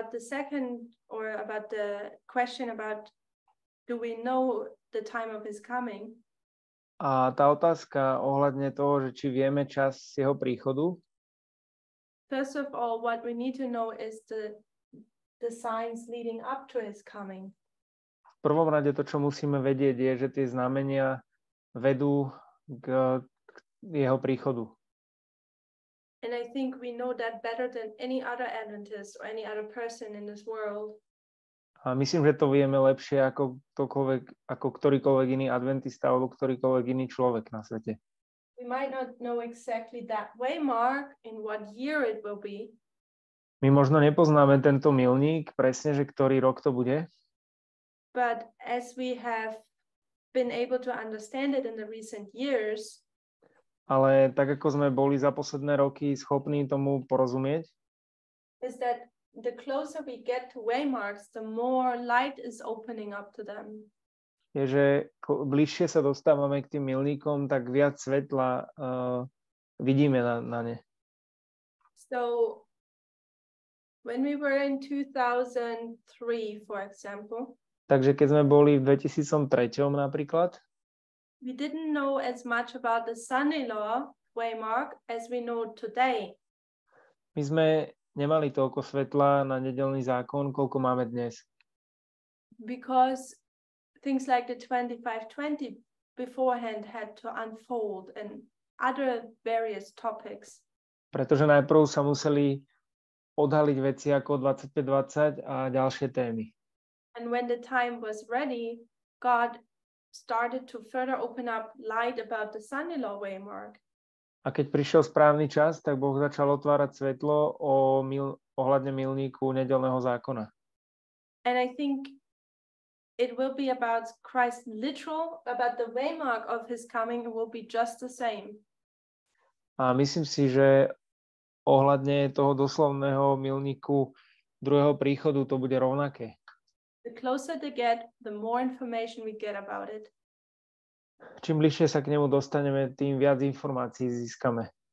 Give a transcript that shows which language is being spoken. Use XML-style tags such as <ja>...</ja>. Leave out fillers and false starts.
<en>About the question about do we know the time of his coming?</en> <sk>A tá otázka ohľadne toho, že či vieme čas jeho príchodu.</sk> <en>First of all, what we need to know is the signs leading up to his coming.</en> <sk>V prvom rade to, čo musíme vedieť, je, že tie znamenia vedú k jeho príchodu.</sk> <en>And I think we know that better than any other Adventist or any other person in this world.</en> <sk>A myslím, že to vieme lepšie ako ktokoľvek, ako ktorýkoľvek iný adventista alebo ktorýkoľvek iný človek na svete.</sk> <en>We might not know exactly that way mark in what year it will be.</en> <sk>My možno nepoznáme tento milník presne, že ktorý rok to bude.</sk> <en>But as we have been able to understand it in the recent years,</en> <sk>ale tak ako sme boli za posledné roky schopní tomu porozumieť,</sk> <en>is that the closer we get to waymarks, the more light is opening up to them.</en> <sk>Je, že bližšie sa dostávame k tým milníkom, tak viac svetla vidíme na ne.</sk> <en>So when we were in 2003, for example,</en> <sk>takže keď sme boli v 2003 napríklad,</sk> <en>we didn't know as much about the son-in-law waymark as we know today.</en> <sk>My sme nemali toľko svetla na nedeľný zákon, koľko máme dnes.</sk> <en>Because things like the 25-20 beforehand had to unfold and other various topics.</en> <sk>Pretože najprv sa museli odhaliť veci ako 25-20 a ďalšie témy.</sk> <en>And when the time was ready, God started to further open up light about the son-in-law waymark.</en> <sk>A keď prišiel správny čas, tak Boh začal otvárať svetlo ohľadne milníku nedeľného zákona.</sk> <en>And I think it will be about Christ literal, about the waymark of his coming, it will be just the same.</en> <sk>A myslím si, že ohľadne toho doslovného milníku druhého príchodu to bude rovnaké.</sk> <en>The closer they get, the more information we get about it.</en> <sk>Čím bližšie sa k nemu dostaneme, tým viac informácií získame.</sk>